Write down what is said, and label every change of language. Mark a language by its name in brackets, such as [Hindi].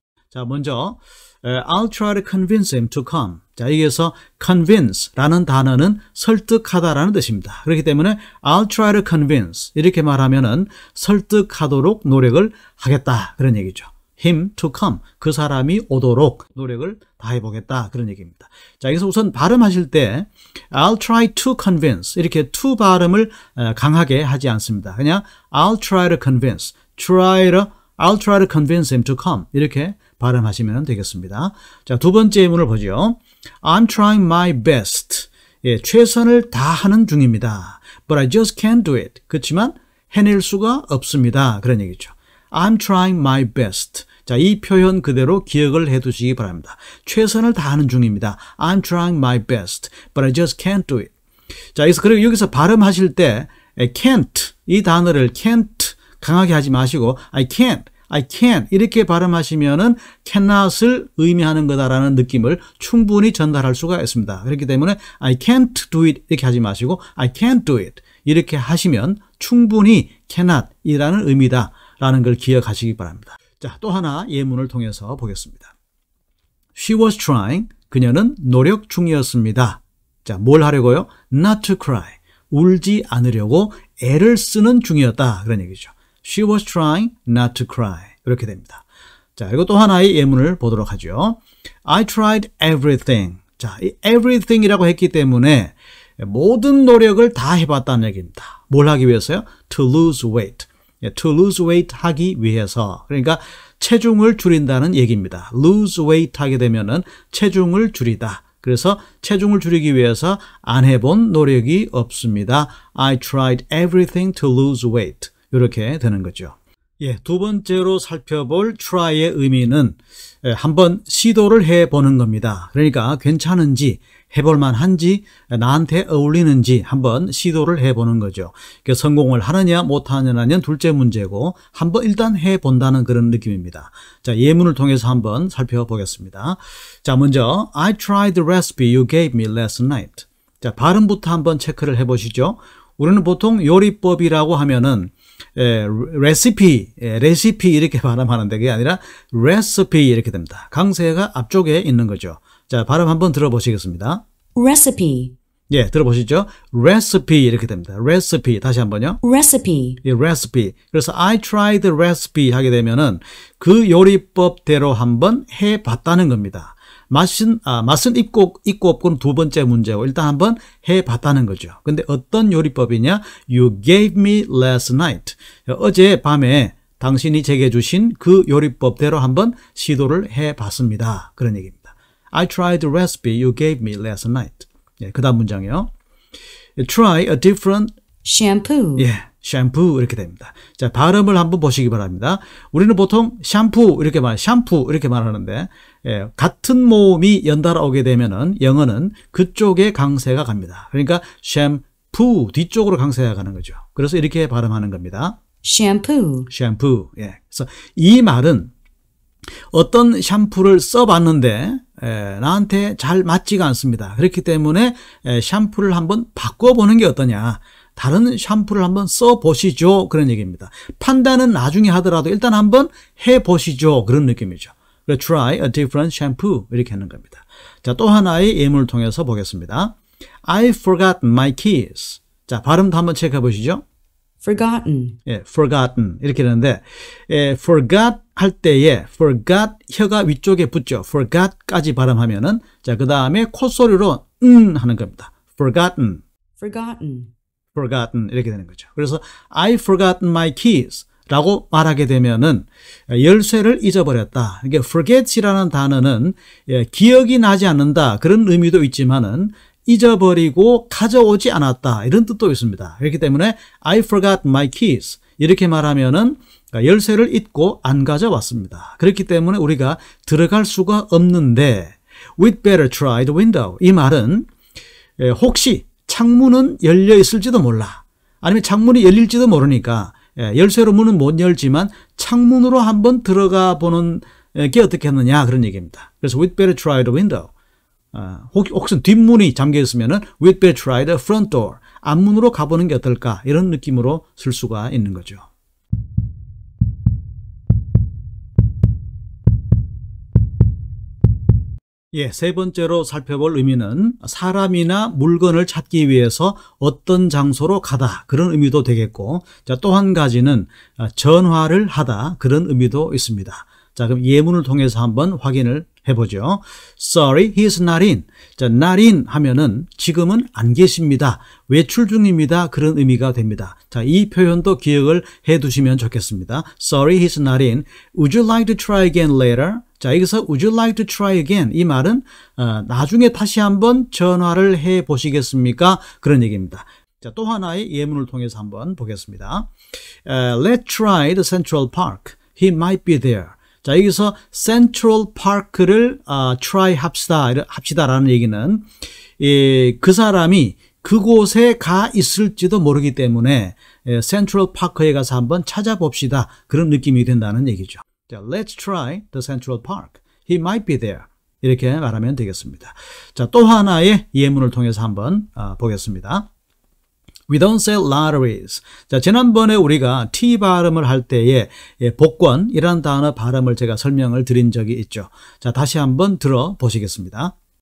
[Korean] 자, 먼저 [English] I'll try to convince him to come. [Korean] 자, 여기에서 convince라는 단어는 설득하다라는 뜻입니다. 그렇기 때문에 [English] I'll try to convince [Korean] 이렇게 말하면은 설득하도록 노력을 하겠다 그런 얘기죠. [English] him to come [Korean] 그 사람이 오도록 노력을 다해 보겠다 그런 얘기입니다. 자, 여기서 우선 발음하실 때 [English] I'll try to convince [Korean] 이렇게 to 발음을 강하게 하지 않습니다. 그냥 [English] I'll try to convince. I'll try to convince him to come [Korean] 이렇게 발음하시면 되겠습니다. 자, 두 번째 예문을 보죠. [English] I'm trying my best. [Korean] 예, 최선을 다하는 중입니다. [English] But I just can't do it. [Korean] 그렇지만 해낼 수가 없습니다. 그런 얘기죠. [English] I'm trying my best. [Korean] 자, 이 표현 그대로 기억을 해두시기 바랍니다. 최선을 다하는 중입니다. [English] I'm trying my best. But I just can't do it. [Korean] 자, 그리고 여기서 발음하실 때 can't 이 단어를 can't 강하게 하지 마시고 [English] I can't [Korean] 이렇게 발음하시면은 cannot을 의미하는 거다라는 느낌을 충분히 전달할 수가 있습니다. 그렇기 때문에 [English] I can't do it [Korean] 이렇게 하지 마시고 I can't do it 이렇게 하시면 충분히 cannot이라는 의미다라는 걸 기억하시기 바랍니다. 자, 또 하나 예문을 통해서 보겠습니다. [English] She was trying. [Korean] 그녀는 노력 중이었습니다. 자, 뭘 하려고요? [English] Not to cry. [Korean] 울지 않으려고 애를 쓰는 중이었다. 그런 얘기죠. [English] She was trying not to cry. [Korean] 이렇게 됩니다. 자, 그리고 또 하나의 예문을 보도록 하죠. [English] I tried everything. [Korean] 자, 이 everything이라고 했기 때문에 모든 노력을 다 해봤다는 얘기입니다. 뭘 하기 위해서요? [English] To lose weight. To lose weight [Korean] 하기 위해서. 그러니까 체중을 줄인다는 얘기입니다. [English] Lose weight [Korean] 하게 되면은 체중을 줄이다. 그래서 체중을 줄이기 위해서 안 해본 노력이 없습니다. [English] I tried everything to lose weight. [Korean] 이렇게 되는 거죠. 예, 두 번째로 살펴볼 try의 의미는 한번 시도를 해보는 겁니다. 그러니까 괜찮은지 해볼 만한지 나한테 어울리는지 한번 시도를 해보는 거죠. 그러니까 성공을 하느냐 못하느냐는 둘째 문제고 한번 일단 해본다는 그런 느낌입니다. 자, 예문을 통해서 한번 살펴보겠습니다. 자, 먼저 [English] I tried the recipe you gave me last night. [Korean] 자, 발음부터 한번 체크를 해보시죠. 우리는 보통 요리법이라고 하면은 레시피 이렇게 발음하는데 그게 아니라 recipe 이렇게 됩니다. 강세가 앞쪽에 있는 거죠. 자, 발음 한번 들어보시겠습니다. [English] recipe. [Korean] 예, 들어보시죠. recipe 이렇게 됩니다. recipe 다시 한번요. [English] recipe. 예, recipe. [Korean] 그래서 [English] I tried the recipe [Korean] 하게 되면은 그 요리법대로 한번 해봤다는 겁니다. 맛은 있고 없고는 두 번째 문제고 일단 한번 해봤다는 거죠. 근데 어떤 요리법이냐? [English] You gave me last night. [Korean] 어제 밤에 당신이 제게 주신 그 요리법대로 한번 시도를 해봤습니다. 그런 얘기입니다. [English] I tried the recipe you gave me last night. [Korean] 예, 그 다음 문장이요. [English] try a different shampoo. [Korean] 예, shampoo 이렇게 됩니다. 자, 발음을 한번 보시기 바랍니다. 우리는 보통 shampoo 이렇게 말, shampoo 이렇게 말하는데, 예, 같은 모음이 연달아 오게 되면은 영어는 그쪽에 강세가 갑니다. 그러니까 shampoo 뒤쪽으로 강세가 가는 거죠. 그래서 이렇게 발음하는 겁니다. shampoo. shampoo. 예. 그래서 이 말은 어떤 샴푸를 써봤는데, 에, 나한테 잘 맞지가 않습니다. 그렇기 때문에 에, 샴푸를 한번 바꿔보는 게 어떠냐. 다른 샴푸를 한번 써보시죠. 그런 얘기입니다. 판단은 나중에 하더라도 일단 한번 해보시죠. 그런 느낌이죠. 그래, [English] try a different shampoo. [Korean] 이렇게 하는 겁니다. 자, 또 하나의 예문을 통해서 보겠습니다. [English] I forgot my keys. [Korean] 자, 발음도 한번 체크해 보시죠. [English] Forgotten. 예, forgotten. [Korean] 이렇게 되는데, 예, forgot 할 때에, forgot 혀가 위쪽에 붙죠. forgot까지 발음하면은, 자, 그 다음에 콧소리로, 하는 겁니다. [English] forgotten. forgotten. [Korean] forgotten. 이렇게 되는 거죠. [English] 그래서, I forgotten my keys. [Korean] 라고 말하게 되면은, 열쇠를 잊어버렸다. 이게 forget이라는 단어는, 예, 기억이 나지 않는다. 그런 의미도 있지만은, 잊어버리고 가져오지 않았다 이런 뜻도 있습니다. 그렇기 때문에 [English] I forgot my keys [Korean] 이렇게 말하면은 열쇠를 잊고 안 가져왔습니다. 그렇기 때문에 우리가 들어갈 수가 없는데 [English] we'd better try the window. [Korean] 이 말은 혹시 창문은 열려 있을지도 몰라 아니면 창문이 열릴지도 모르니까 열쇠로 문은 못 열지만 창문으로 한번 들어가 보는 게 어떻겠느냐 그런 얘기입니다. 그래서 [English] we'd better try the window. [Korean] 혹시 뒷문이 잠겨 있으면 [English] we'd better try the front door. [Korean] 앞문으로 가보는 게 어떨까? 이런 느낌으로 쓸 수가 있는 거죠. 예, 세 번째로 살펴볼 의미는 사람이나 물건을 찾기 위해서 어떤 장소로 가다. 그런 의미도 되겠고, 자, 또 한 가지는 전화를 하다. 그런 의미도 있습니다. 자, 그럼 예문을 통해서 한번 확인을 해보죠. [English] Sorry, he's not in. [Korean] 자, not in 하면은 지금은 안 계십니다. 외출 중입니다. 그런 의미가 됩니다. 자, 이 표현도 기억을 해 두시면 좋겠습니다. [English] Sorry, he's not in. Would you like to try again later? [Korean] 자, 여기서 [English] would you like to try again? [Korean] 이 말은 나중에 다시 한번 전화를 해 보시겠습니까? 그런 얘기입니다. 자, 또 하나의 예문을 통해서 한번 보겠습니다. [English] Let's try the Central Park. He might be there. [Korean] 자, 여기서 Central Park를 try 합시다라는 얘기는 예, 그 사람이 그곳에 가 있을지도 모르기 때문에 예, Central Park에 가서 한번 찾아봅시다. 그런 느낌이 된다는 얘기죠. [English] 자, let's try the Central Park. He might be there. [Korean] 이렇게 말하면 되겠습니다. 자, 또 하나의 예문을 통해서 한번 보겠습니다. [English] We don't sell lotteries. [Korean] 자, 지난번에 우리가 T 발음을 할 때에 예, 복권이라는 단어 발음을 제가 설명을 드린 적이 있죠. 자, 다시 한번 들어보시겠습니다.